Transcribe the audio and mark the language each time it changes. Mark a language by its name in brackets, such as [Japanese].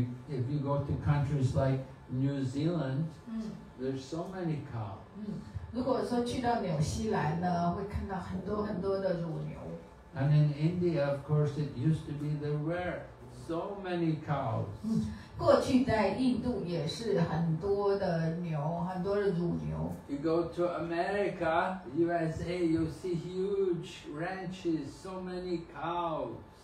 [English] If you go to countries like New Zealand, there's so many cows. [Chinese] 如果说去到纽西兰呢，会看到很多很多的乳牛。 [English] And in India, of course, it used to be there were so many cows. [Chinese] 过去在印度也是很多的牛，很多的乳牛。 [English] You go to America, USA, you see huge ranches, so many cows.